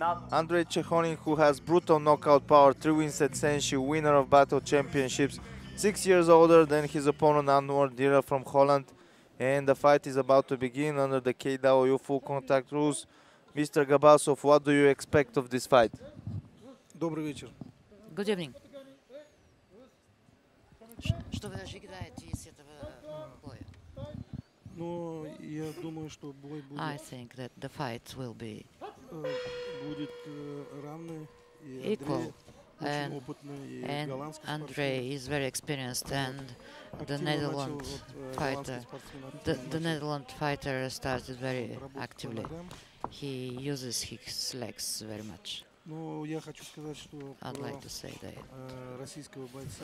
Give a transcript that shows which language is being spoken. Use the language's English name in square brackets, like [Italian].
[English] Andrei Chekhonin, who has brutal knockout power, three wins at SENSHI, winner of battle championships, 6 years older than his opponent Anwar Dira from Holland. And the fight is about to begin under the KWU full contact rules. Mr. Gabasov, what do you expect of this fight? [Russian] Добрый вечер. [English] Good evening. [Russian] Что вы ожидаете из этого боя? Но я думаю, что бой будет. [English] I think that the fight will be [Russian] будет равный и [English] equal. [Russian] Очень опытный и голландский [English] Andrei is very experienced and the Netherlands fighter. The Netherlands fighter started very actively. He uses his legs very much. [Russian] Но я хочу сказать, что [English] I'd like to say that [Russian] российского бойца